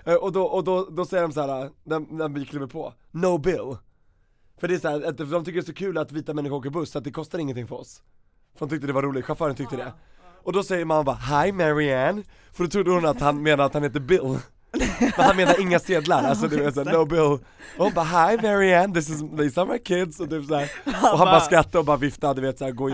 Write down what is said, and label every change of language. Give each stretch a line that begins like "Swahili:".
Swedish: Och då säger de så här, när vi kliver på,
English: no bill.
Swedish: För det är så här, att de tycker det är så kul att vita människor åker buss, så att det kostar ingenting för oss. För de tyckte det var roligt, chauffören tyckte det. Och då säger man bara,
English: hi Marianne.
Swedish: För då trodde hon att han menade att han heter Bill. Men han menar inga sedlar. Alltså det är så här,
English: no bill.
Swedish: Och bara,
English: hi Marianne, this is, these are my kids.
Swedish: Och, så här, och han bara skrattade och bara viftade, du vet, så här, gå in